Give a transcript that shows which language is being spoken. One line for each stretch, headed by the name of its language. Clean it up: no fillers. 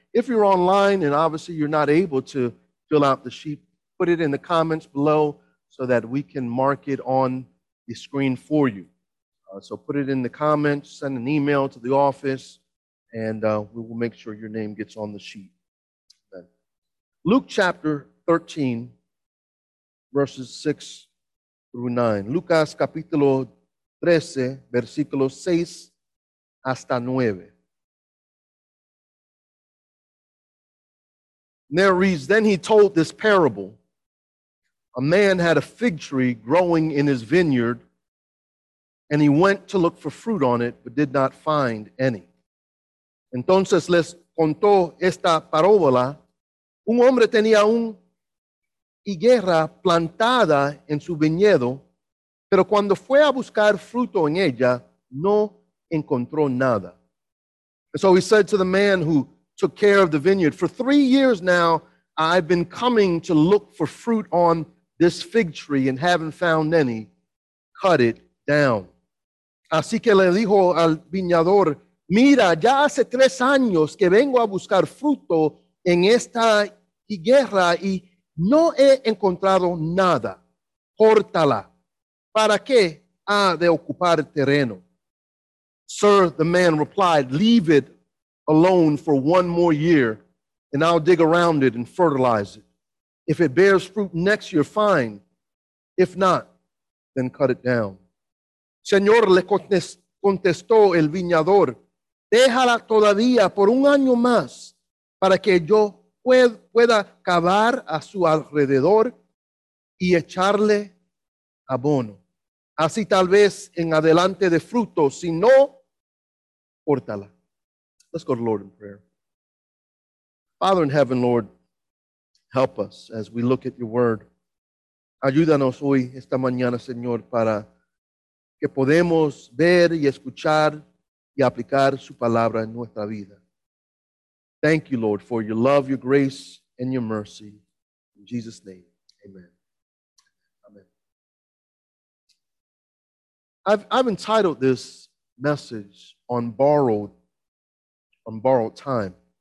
English: If you're online and obviously you're not able to fill out the sheet, put it in the comments below so that we can mark it on the screen for you. So put it in the comments, send an email to the office, and we will make sure your name gets on the sheet. Okay. Luke chapter 13, verses 6 through 9.
Spanish: Lucas capítulo 13, versículo 6. Hasta nueve.
English: And there reads, then he told this parable. A man had a fig tree growing in his vineyard, and he went to look for fruit on it, but did not find any.
Spanish: Entonces les contó esta parábola. Un hombre tenía una higuera plantada en su viñedo, pero cuando fue a buscar fruto en ella, no encontró nada.
English: And so he said to the man who took care of the vineyard, for 3 years now, I've been coming to look for fruit on this fig tree and haven't found any. Cut it down.
Spanish: Así que le dijo al viñador, mira, ya hace 3 años que vengo a buscar fruto en esta higuera y no he encontrado nada. Córtala. ¿Para qué ha de ocupar terreno?
English: Sir, the man replied, leave it alone for one more year, and I'll dig around it and fertilize it. If it bears fruit next year, fine. If not, then cut it down.
Spanish: Señor, le contestó el viñador, déjala todavía por un año más para que yo pueda cavar a su alrededor y echarle abono. Así tal vez en adelante de fruto, si no, Portala.
English: Let's go to the Lord in prayer. Father in heaven, Lord, help us as we look at your word.
Spanish: Ayúdanos hoy, esta mañana, Señor, para que podamos ver y escuchar y aplicar su palabra en nuestra vida.
English: Thank you, Lord, for your love, your grace, and your mercy. In Jesus' name, amen. Amen. I've entitled this message, On borrowed time.